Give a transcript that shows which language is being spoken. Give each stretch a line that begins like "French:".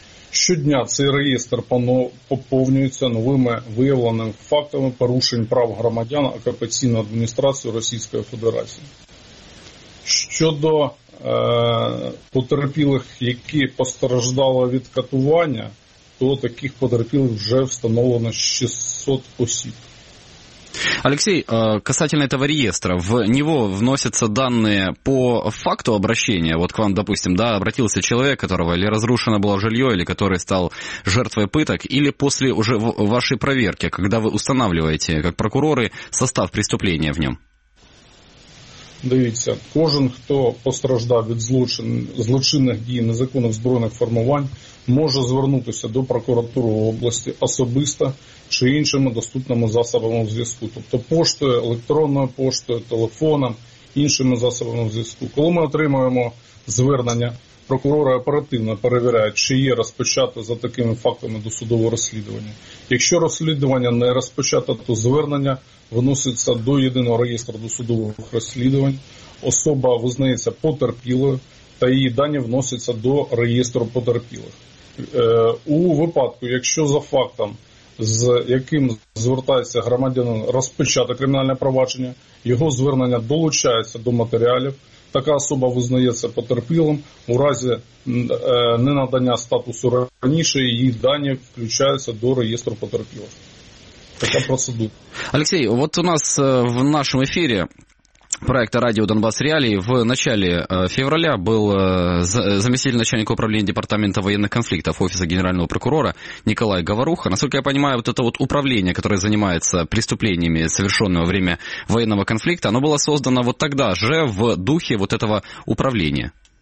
Ukrainian: Щодня цей реєстр поповнюється новими виявленими фактами порушень прав громадян окупаційної адміністрації Російської Федерації. Щодо потерпілих, які постраждали від катування, то таких потерпілих вже встановлено 600 осіб.
Russian: Алексей, касательно этого реестра, в него вносятся данные по факту обращения, вот к вам, допустим, да, обратился человек, которого или разрушено было жилье, или который стал жертвой пыток, или после уже вашей проверки, когда вы устанавливаете, как прокуроры, состав преступления в нем?
Ukrainian: Дивіться, кожен, хто постраждав від злочинних дій незаконних збройних формувань, може звернутися до прокуратури області особисто чи іншими доступними засобами зв'язку. Тобто поштою, електронною поштою, телефоном, іншими засобами зв'язку. Коли ми отримуємо звернення, прокурори оперативно перевіряють, чи є розпочато за такими фактами досудове розслідування. Якщо розслідування не розпочато, то звернення вноситься до єдиного реєстру досудових розслідувань, особа визнається потерпілою, та її дані вносяться до реєстру потерпілих. У випадку, якщо за фактом, з яким звертається громадянин розпочати кримінальне провадження, його звернення долучається до матеріалів, така особа визнається потерпілим, у разі ненадання статусу раніше, її дані включаються до реєстру потерпілих. Така процедура.
Russian: Алексей,
Ukrainian: от у нас в нашому ефірі
Russian: проекта «Радіо Донбас Реалії» в начале февраля был заместитель начальника управления департамента военных конфликтов Офиса генерального прокурора Николай Говоруха. Насколько я понимаю, вот это вот управление, которое занимается преступлениями, совершенными во время военного конфликта, оно было создано вот тогда же в духе вот этого управления.